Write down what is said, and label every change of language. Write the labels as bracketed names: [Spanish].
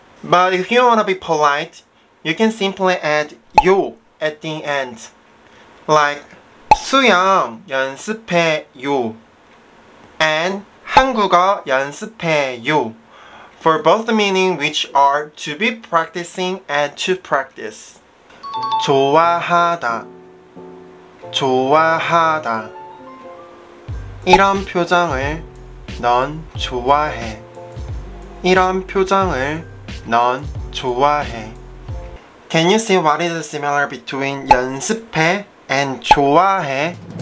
[English] But if you want to be polite, you can simply add 요 at the end. Like [Korean] 수영 연습해 요 [English] and [Korean] 한국어 연습해 요 [English] for both the meaning which are to be practicing and to practice. [Korean] 좋아하다 좋아하다 이런 표정을 넌 좋아해. 이런 표정을 넌 좋아해. [English] Can you see what is the similar between 연습해 and 좋아해?